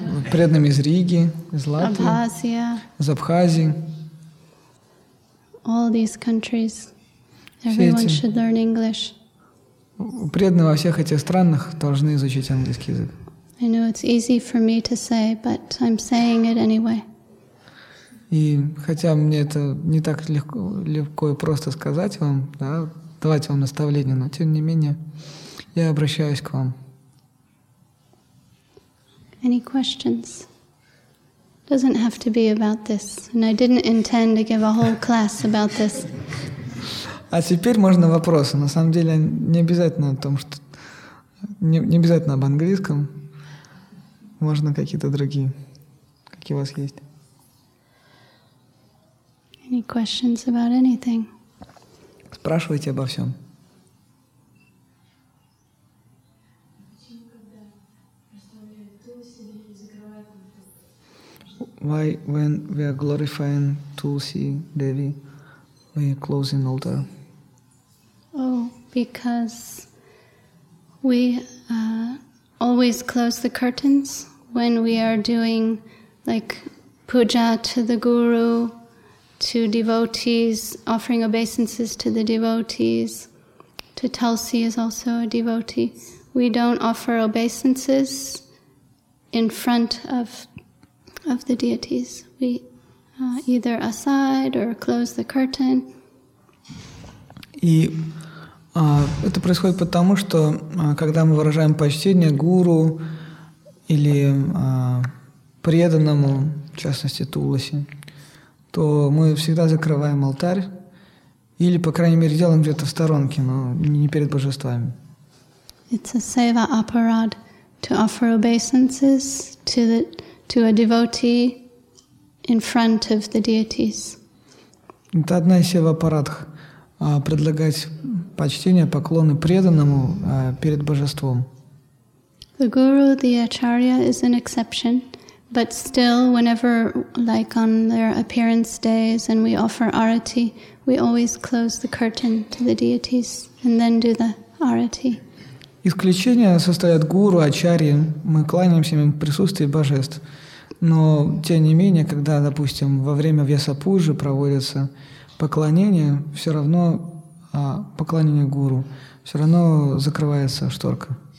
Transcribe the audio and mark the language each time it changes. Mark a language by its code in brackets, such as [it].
[ru] Преданными из Риги, из Латвии. Абхазия. Из Абхазии. [en] All these countries. Everyone should learn English. [ru] Преданные во всех этих странах должны изучить английский язык. [en] I know it's easy for me to say, but I'm saying it anyway. [ru] И хотя мне это не так легко и просто сказать вам, да, давать вам наставление, но тем не менее я обращаюсь к вам. [en] Any questions? Doesn't have to be about this. And I didn't intend to give a whole class about this. [ru] А теперь можно вопросы. На самом деле не обязательно о том, что не обязательно об английском. Можно какие-то другие. Какие у вас есть? [en] Any questions about anything? [ru] Спрашивайте обо всем. [en] Why, when we are glorifying Tulsi Devi, we are closing altar? Oh, because we always close the curtains when we are doing like puja to the guru, to devotees, offering obeisances to the devotees. To Tulsi is also a devotee. We don't offer obeisances in front of the deities. We either aside or close the curtain. [ru] И это происходит потому, что когда мы выражаем почтение гуру или преданному, в частности Туласи, то мы всегда закрываем алтарь или, по крайней мере, делаем где-то в сторонке, но не перед божествами. [en] It's a seva aparad to offer obeisances to a devotee in front of the deities. [ru] Это одна из сева парадх – предлагать почтение, поклоны преданному перед божеством. [en] The guru, the acharya, is an exception, but still, whenever, like on their appearance days, and we offer arati, we always close the curtain to the deities and then do the arati. [ru] Исключения составляют гуру, ачарьи, мы кланяемся им в присутствии божеств. Но, тем не менее, когда, допустим, во время Вьясапуджи проводится поклонение, все равно, поклонение гуру, все равно закрывается шторка.